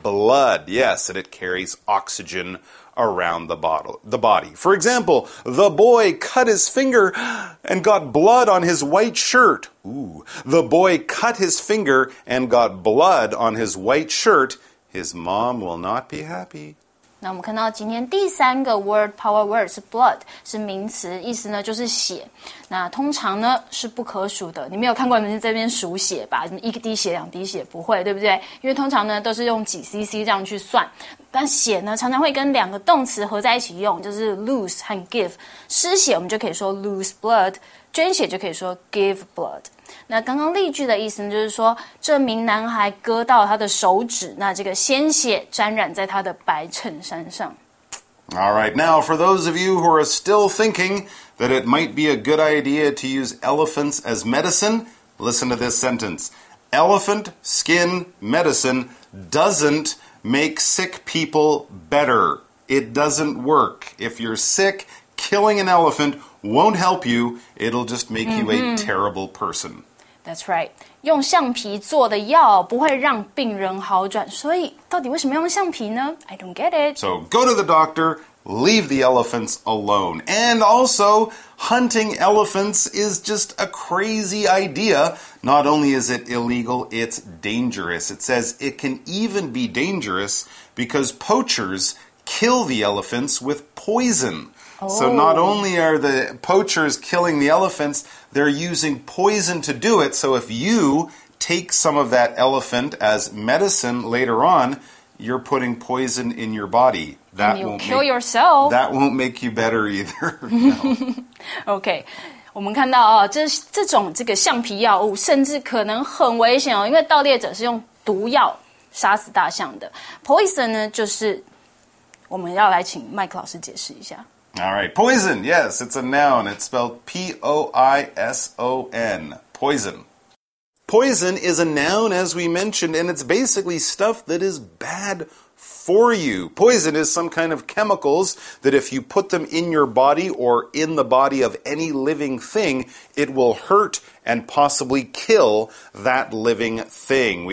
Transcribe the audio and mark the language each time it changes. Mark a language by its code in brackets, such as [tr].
[en] Blood, yes, and it carries oxygen around the body. For example, the boy cut his finger and got blood on his white shirt. Ooh, the boy cut his finger and got blood on his white shirt. His mom will not be happy. [zh] 那我们看到今天第三个 word power word 是 blood， 是名词，意思呢就是血。那通常呢是不可数的，你没有看过人家这边数血吧？什么一滴血、两滴血，不会，对不对？因为通常呢都是用几 cc 这样去算。但血呢常常会跟两个动词合在一起用，就是 lose 和 give。失血我们就可以说 lose blood，捐血就可以说 give blood。那刚刚例句的意思呢，就是说这名男孩割到他的手指，那这个鲜血沾染在他的白衬衫上。 [en] All right, now for those of you who are still thinking that it might be a good idea to use elephants as medicine, listen to this sentence. Elephant skin medicine doesn't make sick people better. It doesn't work. If you're sick, killing an elephant won't help you. It'll just make you a terrible person. That's right. [zh] 用橡皮做的药不会让病人好转，所以到底为什么要用橡皮呢？ [en] I don't get it. So go to the doctor, leave the elephants alone. And also, hunting elephants is just a crazy idea. Not only is it illegal, it's dangerous. It says it can even be dangerous because poachers kill the elephants with poison. So not only are the poachers killing the elephants, they're using poison to do it. So if you take some of that elephant as medicine later on, you're putting poison in your body. That won't kill yourself. That won't make you better either. Okay. [zh] 我们看到哦，这种这个橡皮药物甚至可能很危险哦，因为盗猎者是用毒药杀死大象的。 Poison 呢，就是我们要来请 Mike 老师解释一下。 [en] All right, poison, yes, it's a noun. It's spelled P-O-I-S-O-N, poison. Poison is a noun, as we mentioned, and it's basically stuff that is bad for you. Poison is some kind of chemicals that if you put them in your body or in the body of any living thing, it will hurt and possibly kill that living thing.